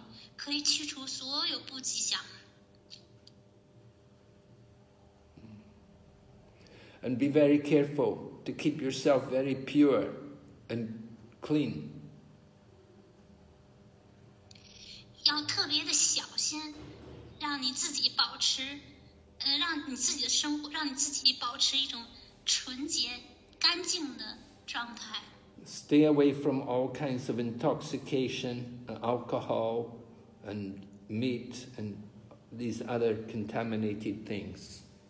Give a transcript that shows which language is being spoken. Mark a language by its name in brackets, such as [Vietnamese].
[Chinese] 不知道为什么你会看到这种景象，也许呢是被鬼魂附体了，也许有些邪灵在给你带来麻烦，所以你需要把这个不吉祥的因素要去除掉，要变得更有Krishna知觉，唱诵圣就是高声的唱诵圣名，大声的唱诵圣名，可以去除所有不吉祥。 [English] And be very careful to keep yourself very pure and clean. [Chinese] 要特别的小心，让你自己保持，让你自己的生活，让你自己保持一种纯洁、干净的状态。 [English] Stay away from all kinds of intoxication, alcohol, and meat, and these other contaminated things.